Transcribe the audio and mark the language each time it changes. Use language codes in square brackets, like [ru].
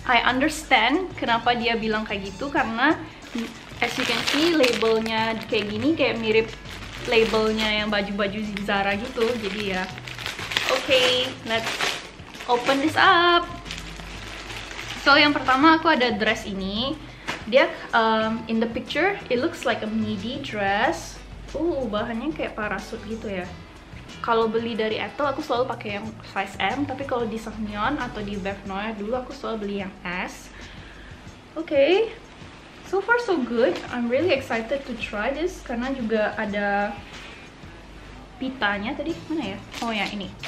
[en] I understand [id] kenapa dia bilang kayak gitu, karena [en] as you can see, [id] labelnya kayak gini kayak mirip labelnya yang baju-baju Zara gitu. Jadi ya, [en] okay, let's open this up. [id] So yang pertama aku ada dress ini. [en] Dia in the picture it looks like a midi dress. [id] Bahannya kayak parasut gitu ya. Kalau beli dari Etel aku selalu pakai yang size M, tapi kalau di Sohmyeon atau di Bath Noir dulu aku selalu beli yang S. [en] Okay. So far so good. I'm really excited to try this [id] karena juga ada pitanya tadi. Mana ya? Oh ya, ini.